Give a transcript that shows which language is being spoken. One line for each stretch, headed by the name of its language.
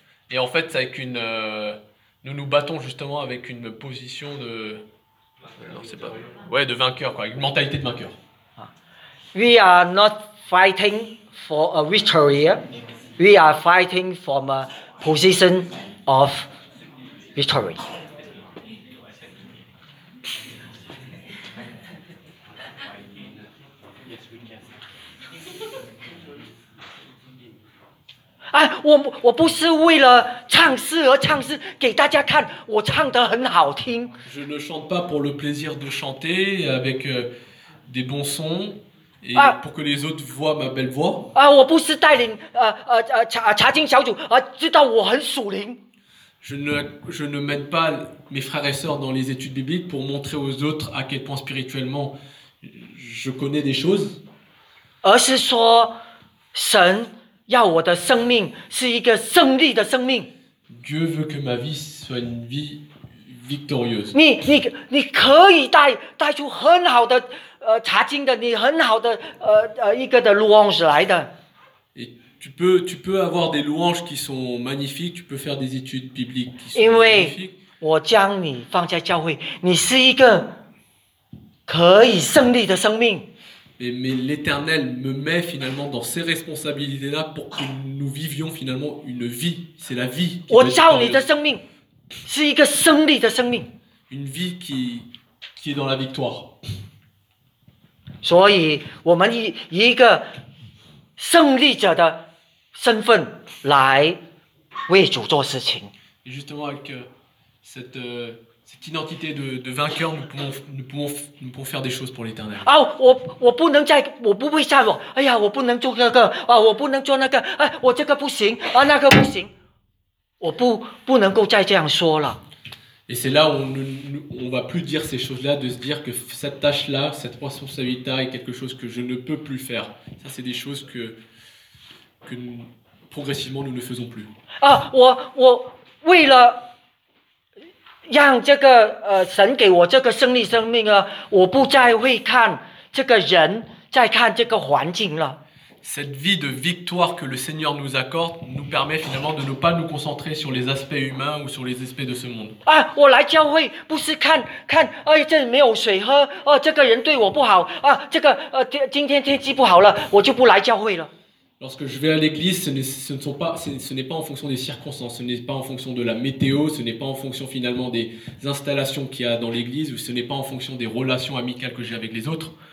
French: Et en fait, c'est avec une... Nous nous battons justement avec une position de... Non, c'est pas... Ouais, de vainqueur, quoi. Une mentalité de vainqueur.
English: We are not fighting for a victory. We are fighting from a position of victory.
French: Je ne chante pas pour le plaisir de chanter avec des bons sons et pour que les autres voient ma belle voix. Je ne mène pas mes frères et sœurs dans les études bibliques pour montrer aux autres à quel point spirituellement je connais des choses.
Chinese: 而是说神要我的生命是一个胜利的生命。
French: Dieu veut que ma vie soit une vie victorieuse.
Chinese: 你可以带出很好的查经的，你很好的一个的 louange 来的。
French: Et tu peux avoir des louanges qui sont magnifiques. Tu peux faire des études bibliques qui sont magnifiques.
Chinese: 因为我将你放在教会，你是一个可以胜利的生命。
French: Mais l'Éternel me met finalement dans ces responsabilités-là pour que nous vivions finalement une vie. C'est la vie.
Chinese: 我造你的生命是一个胜利的生命。
French: Une vie qui est dans la victoire.
Chinese: 所以我们以一个胜利者的身份来为主做事情。
French: Justement avec cette identité de vainqueur, nous pouvons faire des choses pour l'éternel.
Chinese: Ah, 我不能再，我不会再往，哎呀，我不能做这个，啊，我不能做那个，哎，我这个不行，啊，那个不行，我不能够再这样说了。
French: Et c'est là où on ne va plus dire ces choses-là, de se dire que cette tâche-là, cette responsabilité-là est quelque chose que je ne peux plus faire. Ça, c'est des choses que progressivement nous ne faisons plus.
Chinese: Ah, 我为了让这个神给我这个胜利生命啊，我不再会看这个人，再看这个环境了。
French: Cette vie de victoire que le Seigneur nous accorde nous permet finalement de ne pas nous concentrer sur les aspects humains ou sur les aspects de ce monde.
Chinese: 啊，我来教会不是看，哎，这里没有水喝，哦，这个人对我不好，啊，这个今天天气不好了，我就不来教会了。
French: Lorsque je vais à l'église, ce n'est pas en fonction des circonstances, ce n'est pas en fonction de la météo, ce n'est pas en fonction finalement des installations qu'il y a dans l'église, ou ce n'est pas en fonction des relations amicales que j'ai avec les autres.